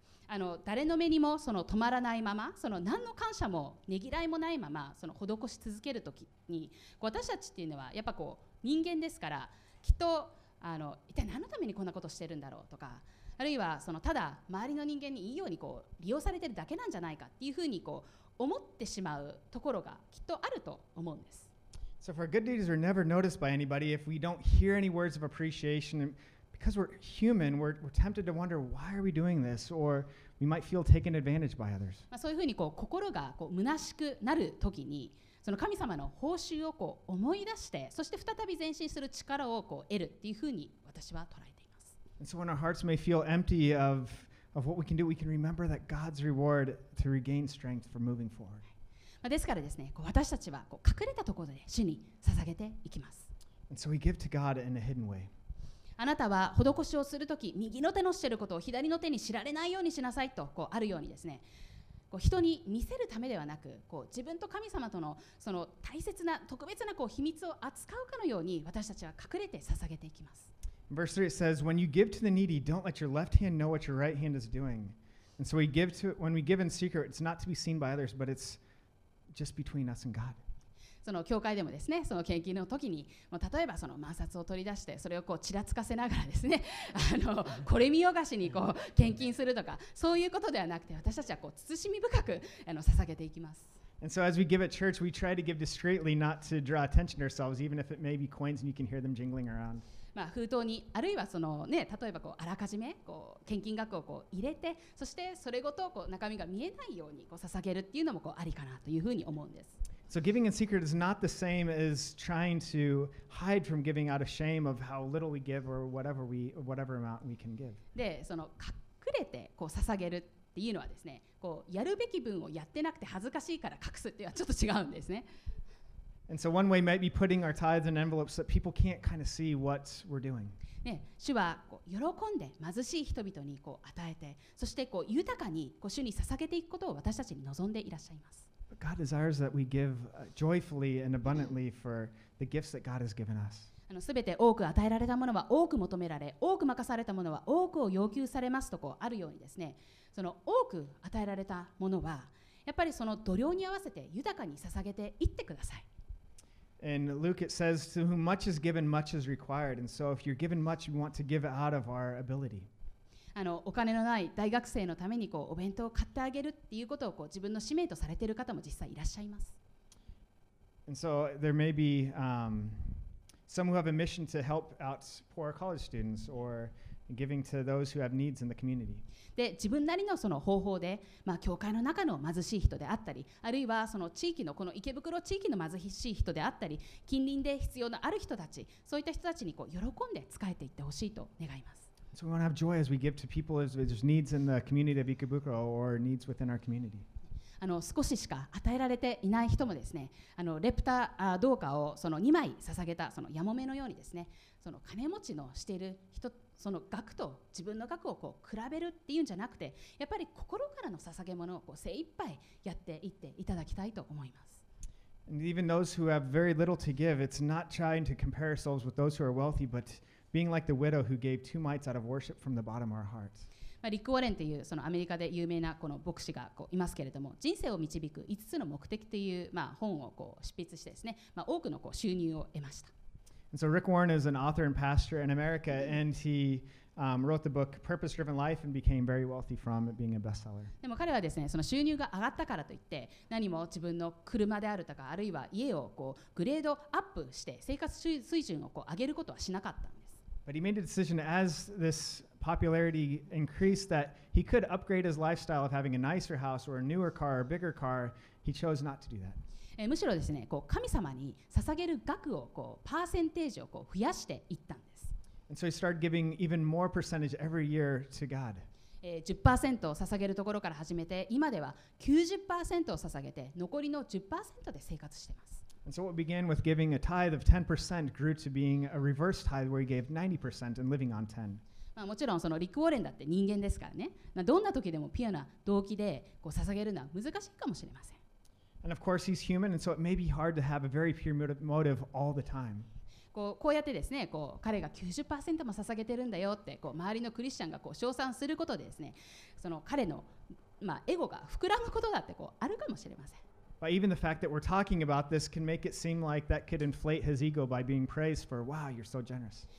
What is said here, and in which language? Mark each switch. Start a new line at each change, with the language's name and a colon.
Japanese: あの誰の目にもその止まらないまま、その何の感謝もねぎらいもないまま、その施し続けるときに、私たちっていうのはやっぱこう人間ですから、きっとあの一体何のためにこんなことしてるんだろうとか、あるいはそのただ周りの人間にいいようにこう利用されてるだけなんじゃないかっていうふうにこう。思ってしまうところがきっとあると思うんです。
English: So if our good deeds are never noticed by anybody, if we don't hear any words of appreciation, because we're human, we're tempted to wonder why are we doing this, or we might feel taken advantage by others.
Japanese: まあそういうふうにこう心がこう虚しくなるときに、その神様の報酬をこう思い出して、そして再び前進する力をこう得るっていうふうに私は捉えています。
English: And so when our hearts may feel empty of what we can do, we can remember that God's reward to regain strength for moving forward.
Japanese: ですからですね、こう私たちはこう隠れたところで主に捧げていきます。
English: And so we give to God in a hidden way.
Japanese: あなたは施しをするとき、右の手のしていることを左の手に知られないようにしなさいとこうあるようにですね、こう人に見せるためではなく、こう自分と神様とのその大切な特別なこう秘密を扱うかのように私たちは隠れて捧げていきます。
English: Verse 3 it says, When you give to the needy, don't let your left hand know what your right hand is doing. And so when we give in secret, it's not to be seen by others, but it's just between us and God.
Japanese: その教会でもですね、その献金の時に、例えばその万札を取り出して、それをこうちらつかせながらですね、あのこれ見よがしにこう献金するとか、そういうことではなくて、私たちはこう慎み深くあの捧げていきます。
English: And so as we give at church, we try to give discreetly, not to draw attention to ourselves, even if it may be coins and you can hear them jingling around.
Japanese: まあ、封筒にあるいはその、ね、例えばこうあらかじめこう献金額をこう入れてそしてそれごとこう中身が見えないようにこう捧げるっていうのもこうありかなというふうに思うんです。
English: So giving in secret is not the same as trying to hide from giving out of shame of how little we give or whatever we whatever amount we can give.
Japanese: で、その隠れてこう捧げるっていうのはですね、こうやるべき分をやってなくて恥ずかしいから隠すっていうのはちょっと違うんですね。
English: And so one way might be putting our tithes in envelopes so that people can't kind of see what we're doing.
Japanese: ね、主はこう喜んで貧しい人々にこう与えて、そしてこう豊かにこう主に捧げていくことを私たちに望んでいらっしゃいます。
English: God desires that we give joyfully and abundantly for the gifts that God has given us.
Japanese: あの、すべて多く与えられたものは多く求められ、多く任されたものは多くを要求されますとこうあるようにですね、その多く与えられたものは、やっぱりその度量に合わせて豊かに捧げていってください。
English: In Luke it says, to whom much is given, much is required. And so if you're given much, we want to give it out of our ability.
Japanese: あのお金のない大学生のためにこうお弁当を買ってあげるっていうことをこう自分の使命とされている方も実際いらっしゃいます。
English: And so there may be some who have a mission to help out poor college students or giving to those who have needs in the community.
Japanese: で自分なりのその方法で、まあ、教会の中の貧しい人であったり、あるいはその地域のこの池袋地域の貧しい人であったり、近隣で必要のある人たち、そういった人たちにこう喜んで使えていってほしいと願います。
English: So we want to have joy as we give to people as there's needs in the community of Ikebukuro or needs within our community.
Japanese: あの少ししか与えられていない人もですね、あのレプタどうかをその2枚捧げたそのヤモメのようにですね、その金持ちのしている人その額と自分の額をこう比べるっていうんじゃなくて、やっぱり心からの捧げ物をこう精一杯やっていっていただきたいと思います。
English: And even those who have very little to give, it's not trying to compare ourselves with those who are wealthy, but being like the widow who gave two mites out of worship from the bottom of our hearts.
Japanese: まあ、リック・ウォレンというそのアメリカで有名なこの牧師がこういますけれども、人生を導く5つの目的という、まあ、本をこう執筆してですね、まあ、多くのこう収入を得ました。
English: And so Rick Warren is an author and pastor in America, and he wrote the book Purpose Driven Life and became very wealthy from it being a bestseller.
Japanese: でも彼はですね、その収入が上がったからといって、何も自分の車であるとか、あるいは家をこうグレードアップして生活水準をこう上げることはしなかったんです。
English: But he made a decision as this popularity increased that he could upgrade his lifestyle of having a nicer house or a newer car or a bigger car. He chose not to do that.
Japanese: むしろですね、こう神様に捧げる額をこうパーセンテージをこう増やしていったんです。
English: And so he started giving even more percentage every year to God.
Japanese: 10% 捧げるところから始めて、今では 90% を捧げて、残りの 10% で生活しています。
English: And so what began with giving a tithe of 10% grew to being a reverse tithe where he gave 90% and living on 10.
Japanese: まあもちろんそのリック・ウォーレンだって人間ですからね。まあ、どんな時でもピュアな動機でこう捧げるのは難しいかもしれません。
English: And of course he's human and so it may be hard to have a very pure motive all the time.
Japanese: こうやってですね、こう彼が 90% も捧げてるんだよってこう周りのクリスチャンがこう称賛することでですね、その彼のまあエゴが膨らむことだってこうあるかもしれません。
English: But even the fact that we're talking about this can make it seem like that could inflate his ego by being praised for, wow, you're so generous.